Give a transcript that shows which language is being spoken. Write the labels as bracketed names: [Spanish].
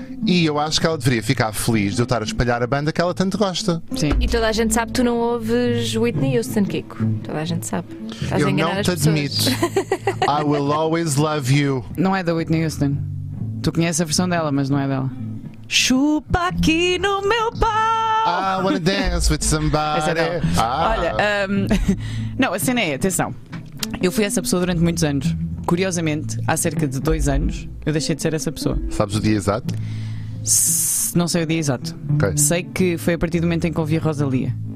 [Portuguese] E eu acho que ela deveria ficar feliz de eu estar a espalhar a banda que ela tanto gosta. Sim. E toda a gente sabe que tu não ouves Whitney Houston, Kiko. Toda a gente sabe. Estás eu a não te admito. [English] I will always love you. [Portuguese] Não é da Whitney Houston. Tu conheces a versão dela, mas não é dela. Chupa aqui no meu pau. [English] I wanna dance with somebody. [Portuguese] Essa não. Ah. Olha, não, a cena é, atenção. Eu fui essa pessoa durante muitos anos. Curiosamente, há cerca de 2 anos eu deixei de ser essa pessoa. Sabes o dia exato? Não sei o dia exato. [English] Okay. [Portuguese] Sei que foi a partir do momento em que ouvi a Rosalía.